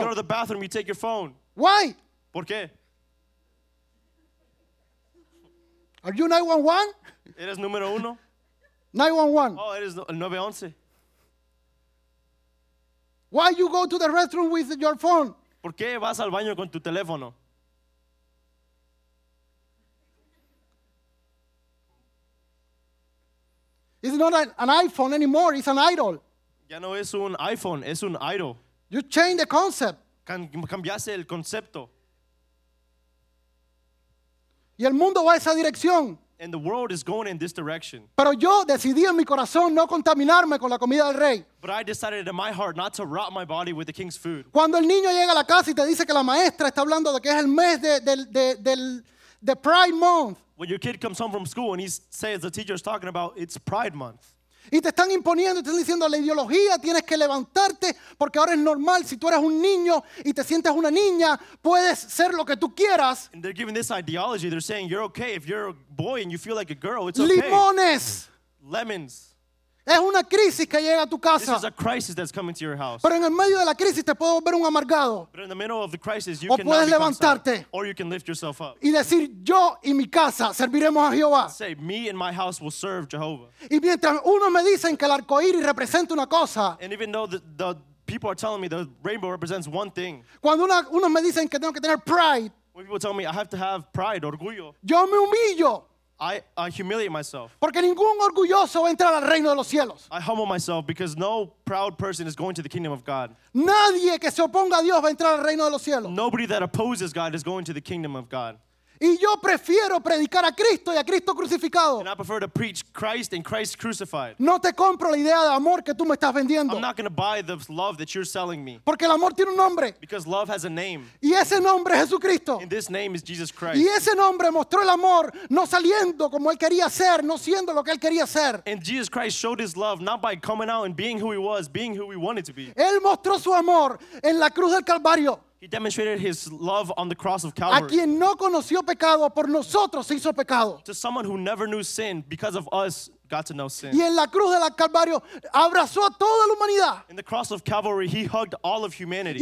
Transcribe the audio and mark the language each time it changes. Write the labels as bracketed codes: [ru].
[en] You go to the bathroom, you take your phone. Why? [es] ¿Por qué? [en] Are you 911? [es] Eres número uno. [en] 911. [es] Oh, eres el 911. [en] Why you go to the restroom with your phone? [es] ¿Por qué vas al baño con tu teléfono? [en] It's not an iPhone anymore, it's an idol. [es] Ya no es un iPhone, es un idol. [en] You change the concept. [es] Cambiaste el concepto. Y el mundo va esa dirección. [en] And the world is going in this direction. [es] Pero yo decidí en mi corazón no contaminarme con la comida del rey. [en] But I decided in my heart not to rot my body with the king's food. [es] Cuando el niño llega a la casa y te dice que la maestra está hablando de que es el mes de Pride Month. [en] When your kid comes home from school and he says the teacher is talking about it's Pride Month. [es] Y te están imponiendo, te están diciendo la ideología, tienes que levantarte porque ahora es normal si tú eres un niño y te sientes una niña, puedes ser lo que tú quieras. [en] And they're giving this ideology, they're saying you're okay if you're a boy and you feel like a girl, it's okay. [es] Limones. [en] Lemons. [es] Es una crisis que llega a tu casa. [en] This is a crisis that's coming to your house. [es] Pero en el medio de la crisis te puedo ver un amargado. [en] But in the middle of the crisis, you [es] o puedes levantarte. [en] Or you can lift yourself up. [es] Y decir, yo y mi casa serviremos a Jehová. [en] Say, me and my house will serve Jehovah. [es] Y mientras unos me dicen que el arcoíris representa una cosa. [en] And even though the people are telling me the rainbow represents one thing. [es] Cuando unos me dicen que tengo que tener pride. [en] When people tell me I have to have pride, orgullo. [es] Yo me humillo. [en] I humiliate myself. [es] Porque ningún orgulloso va a entrar al reino de los cielos. [en] I humble myself because no proud person is going to the kingdom of God. [es] Nadie que se oponga a Dios va a entrar al reino de los cielos. [en] Nobody that opposes God is going to the kingdom of God. [es] Y yo prefiero predicar a Cristo y a Cristo crucificado. [en] And I prefer to preach Christ and Christ crucified. [es] No te compro la idea de amor que tú me estás vendiendo. [en] I'm not going to buy the love that you're selling me. [es] Porque el amor tiene un nombre. [en] Because love has a name. [es] Y ese nombre es Jesucristo. [en] And this name is Jesus Christ. [es] Y ese nombre mostró el amor no saliendo como él quería ser, no siendo lo que él quería ser. [en] And Jesus Christ showed his love not by coming out and being who he was, being who he wanted to be. [es] Él mostró su amor en la cruz del Calvario. [en] He demonstrated his love on the cross of Calvary. [es] A quien no conoció pecado, por nosotros se hizo pecado. [en] To someone who never knew sin, because of us, got to know sin. [es] Y en la cruz de la Calvario, abrazó a toda la humanidad. [en] In the cross of Calvary, he hugged all of humanity.